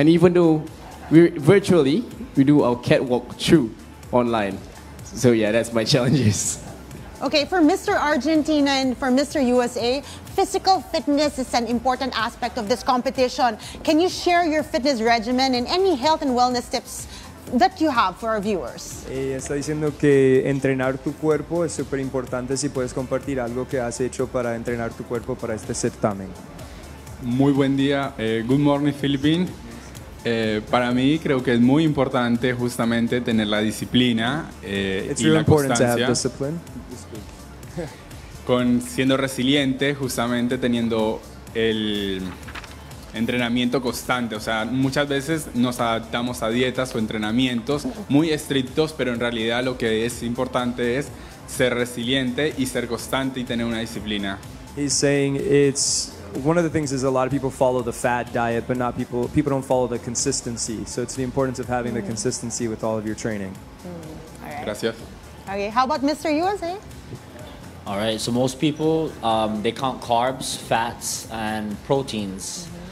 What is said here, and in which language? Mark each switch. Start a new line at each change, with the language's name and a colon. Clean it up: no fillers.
English: And even though we virtually do our catwalk through online. So yeah, that's my challenges. Okay, for Mr. Argentina and for Mr. USA, physical fitness is an important aspect of this competition. Can you share your fitness regimen and any health and wellness tips that you have for our viewers?
Spanish: Está diciendo que entrenar tu cuerpo es súper importante si puedes compartir algo que has hecho para entrenar tu cuerpo para este certamen. Muy buen día.
English: Good morning, Philippines.
Spanish: Para mí creo que es muy importante justamente tener la disciplina y la constancia.
English: It's really important to have discipline.
Spanish: con siendo resiliente, justamente teniendo el entrenamiento constante. O sea, muchas veces nos adaptamos a dietas o entrenamientos muy estrictos, pero en realidad lo que es importante es ser resiliente y ser constante y tener una disciplina.
English: He's saying it's one of the things is a lot of people follow the fad diet, but not people don't follow the consistency. So it's the importance of having the consistency with all of your training.
Spanish: Gracias.
English: Okay, how about Mr. USA? All right, so most people, they count carbs, fats, and proteins.